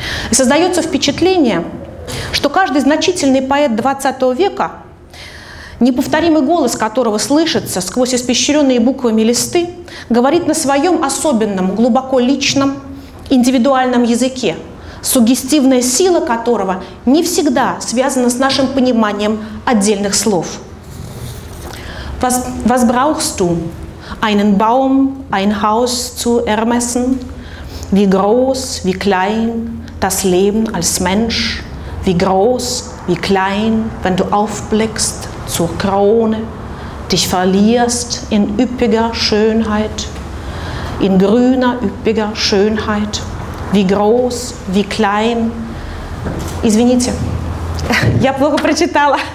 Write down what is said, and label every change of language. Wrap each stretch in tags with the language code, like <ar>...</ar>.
<ru>И создается впечатление, что каждый значительный поэт XX века, неповторимый голос которого слышится сквозь испещренные буквами листы, говорит на своем особенном, глубоко личном, индивидуальном языке, суггестивная сила которого не всегда связана с нашим пониманием отдельных слов.</ru> <de>Was brauchst du? Einen Baum, ein Haus zu ermessen? Wie groß, wie klein, das Leben als Mensch? Wie groß, wie klein, wenn du aufblickst? Zur Krone, dich verlierst in üppiger Schönheit, in grüner, üppiger Schönheit, wie groß, wie klein.</de> <ru>Извините, я плохо прочитала.</ru>